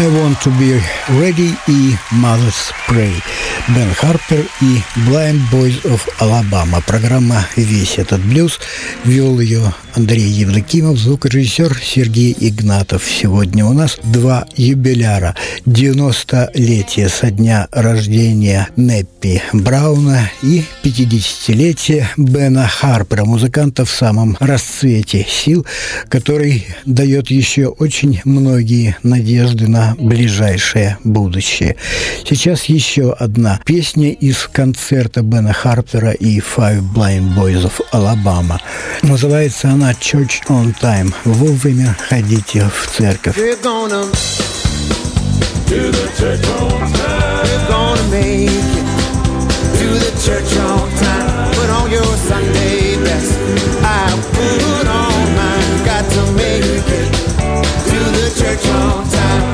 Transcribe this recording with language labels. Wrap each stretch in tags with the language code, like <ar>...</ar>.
<ru>To Be Ready и Mother's Pray. Бен Харпер и Blind Boys of Alabama. Программа «Весь этот блюз» вел ее Андрей Евдокимов, звукорежиссер Сергей Игнатов. Сегодня у нас два юбиляра. 90-летие со дня рождения Неппи Брауна и 50-летие Бена Харпера, музыканта в самом расцвете сил, который дает еще очень многие надежды на ближайшее будущее. Сейчас еще одна песня из концерта Бена Харпера и Five Blind Boys of Alabama. Называется она Church on Time. Вовремя ходите в церковь.</ru> <en>We're gonna do the church on time. We're gonna make it to the church on time. Put on your Sunday best. I put on mine. Got to make it to the church on time.</en>